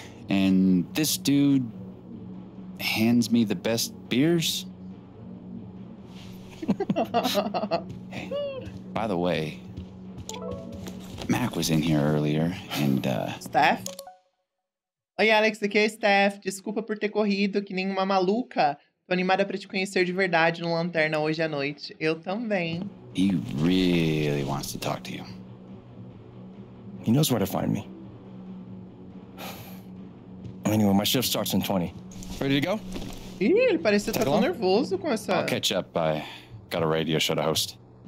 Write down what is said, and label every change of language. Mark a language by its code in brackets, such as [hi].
[en] And this dude hands me the best beers? By the way, Mac was in here earlier, and, [pt] Steph? Oi, Alex, aqui é Steph. Desculpa por ter corrido que nem uma maluca. Tô animada pra te conhecer de verdade no Lanterna hoje à noite. Eu também. [en] He really wants to talk to you. He knows where to find me. Anyway, my shift starts in 20. Ready to go? [pt] Ih, ele parece estar tão nervoso com essa... [en] I'll catch up. I got a radio show to host.